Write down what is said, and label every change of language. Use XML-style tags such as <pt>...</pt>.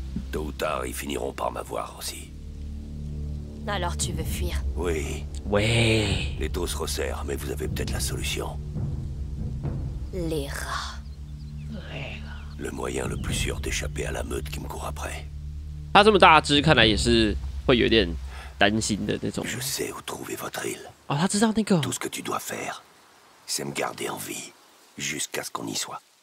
<fr>Tôt ou tard, ils finiront par m'avoir aussi. Alors tu veux fuir? Oui. Oui. Les taux se resserrent, mais vous avez peut-être la solution. Les rats. Les rats. Le moyen le plus sûr d'échapper à la meute qui me court après.</fr> <zh>他这么大只，看来也是会有点担心的那种。</zh> <fr>Je sais où trouver votre île.</fr> <zh>哦，他知道那个。</zh> <fr>Tout ce que tu dois faire, c'est me garder en vie jusqu'à ce qu'on y soit.</fr>